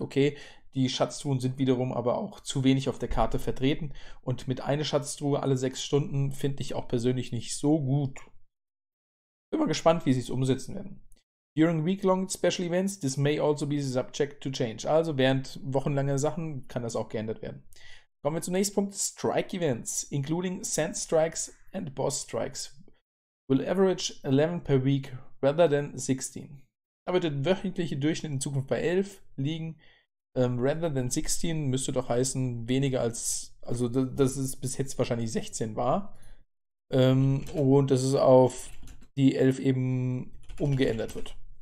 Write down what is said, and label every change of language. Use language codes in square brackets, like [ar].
[de] Okay, die Schatztruhen sind wiederum aber auch zu wenig auf der Karte vertreten. Und mit einer Schatztruhe alle 6 Stunden finde ich auch persönlich nicht so gut. Bin mal gespannt, wie sie es umsetzen werden. [en] During week-long special events, this may also be subject to change. [de] Also während wochenlanger Sachen kann das auch geändert werden. Kommen wir zum nächsten Punkt. [en] Strike Events, including Sand Strikes and Boss Strikes, will average 11 per week rather than 16. [de] Da wird der wöchentliche Durchschnitt in Zukunft bei 11 liegen. [en] Rather than 16 [de] müsste doch heißen, weniger als, also das ist bis jetzt wahrscheinlich 16 war. Und das ist auf die 11 eben umgeändert wird.